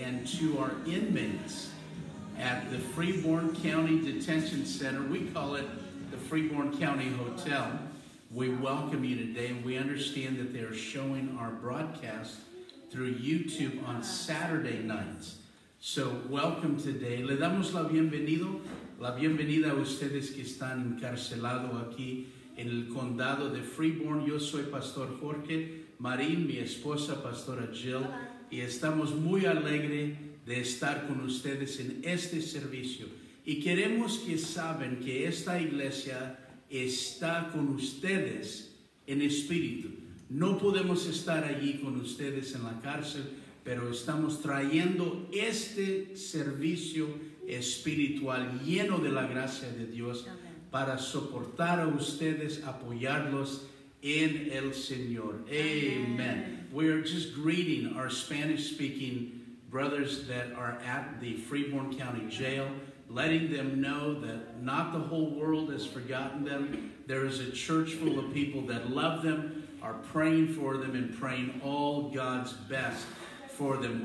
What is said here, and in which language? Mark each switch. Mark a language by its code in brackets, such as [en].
[en] And to our inmates at the Fremont County Detention Center, we call it the Fremont County Hotel, we welcome you today. And we understand that they are showing our broadcast through YouTube on Saturday nights. So welcome today. [es] Le damos la bienvenida. La bienvenida a ustedes que están encarcelados aquí en el condado de Fremont. Yo soy Pastor Jorge Marín, mi esposa Pastora Jill, y estamos muy alegres de estar con ustedes en este servicio. Y queremos que saben que esta iglesia está con ustedes en espíritu. No podemos estar allí con ustedes en la cárcel, pero estamos trayendo este servicio espiritual lleno de la gracia de Dios para soportar a ustedes, apoyarlos en el Señor. [en] Amen. We are just greeting our Spanish-speaking brothers that are at the Fremont County Jail, letting them know that not the whole world has forgotten them. There is a church full of people that love them, are praying for them, and praying all God's best for them.